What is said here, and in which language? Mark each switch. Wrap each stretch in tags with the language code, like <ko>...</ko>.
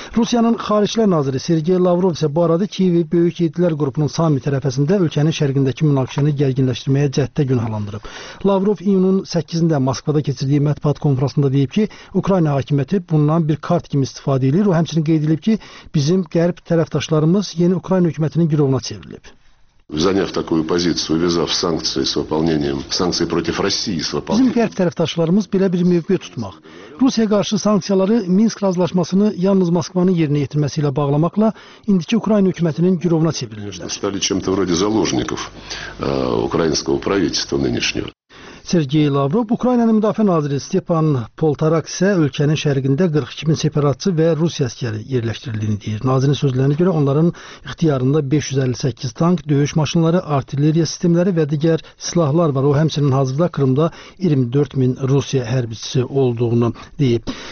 <az>Rusiyanın Xarici İşlər naziri Sergey Lavrov isə bu arada Kiyevi Böyük Yedilər qrupunun sammit ərəfəsində ölkənin şərqindəki münaqişəni gərginləşdirməyə cəhddə günahlandırıb. Lavrov iyunun 8-də Moskvada keçirdiyi mətbuat konferansında deyib ki, Ukrayna hakimiyyəti bundan bir kart kimi istifadə edir. O həmçinin qeyd edib ki, bizim qərb tərəfdaşlarımız yeni Ukrayna hökumətinin girovuna çevrilib.</az> <ru>Заняв такую позицию, увязав санкции с выполнением санкций против России с выполнением.</ru> <az>Bizim qərb tərəfdaşlarımız belə bir mövqe tutmaq. Rusiyaya qarşı sanksiyaları Minsk razılaşmasını yalnız Moskvanın yerinə yetirməsi ilə bağlamaqla indiki Ukrayna hökumətinin girovuna çevrilirlər.</az> <ru>Стали чем-то вроде заложников украинского правительства нынешнего.</ru> <az>Sergey Lavrov, Ukraynanın müdafiə naziri Stepan Poltarak isə ölkənin şərqində 42 min separatçı və Rusiya əsgəri yerləşdirildiyini deyir. Nazirin sözlərinə görə onların ixtiyarında 558 tank, döyüş maşınları, artilleriya sistemləri və digər silahlar var. O, həmçinin hazırda Kırımda 24 min Rusiya hərbçisi olduğunu deyib.</az>